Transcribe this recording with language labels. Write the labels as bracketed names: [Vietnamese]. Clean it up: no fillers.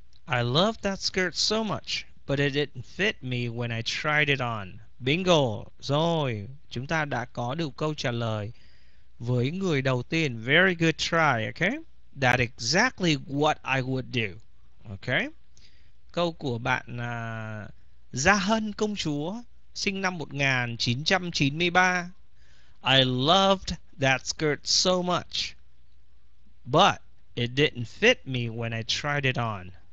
[English] I love that skirt so much, but it didn't fit me when I tried it on. Bingo! [Vietnamese] Rồi, chúng ta đã có được câu trả lời với người đầu tiên. [English] Very good try, okay? That exactly what I would do. Okay? [Vietnamese] Câu của bạn Gia Hân công chúa, sinh năm 1993. [English] I loved that skirt so much, but it didn't fit me when I tried it on.